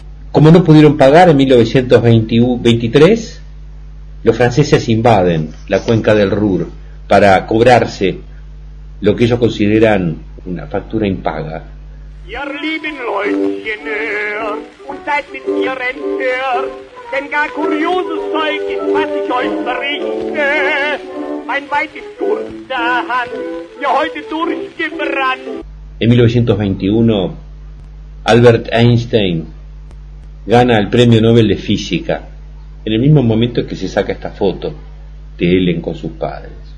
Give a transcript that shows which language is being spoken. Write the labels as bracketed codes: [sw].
[es] Como no pudieron pagar en 1923, los franceses invaden la cuenca del Ruhr para cobrarse lo que ellos consideran una factura impaga. [de] Ihr lieben Leutchen, hört und seid mit mir entfernt, denn gar kurioses Zeug ist, was ich euch berichte. Mein Weib ist kurzerhand, ja heute durchgebrannt. [es] En 1921, Albert Einstein gana el Premio Nobel de Física, en el mismo momento que se saca esta foto de Ellen con sus padres.